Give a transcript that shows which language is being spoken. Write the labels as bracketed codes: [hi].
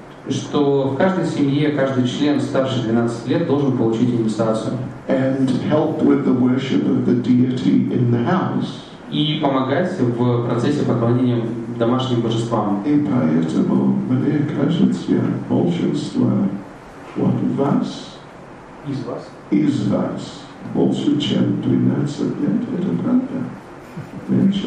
[ru] Что в каждой семье каждый член старше 12 лет должен получить инициацию. [en] And help with the worship of the deity in the house. [ru] И помогать в процессе поклонения домашним божествам. И поэтому мне кажется, большинство от вас, из вас, больше чем 12 лет, это правда.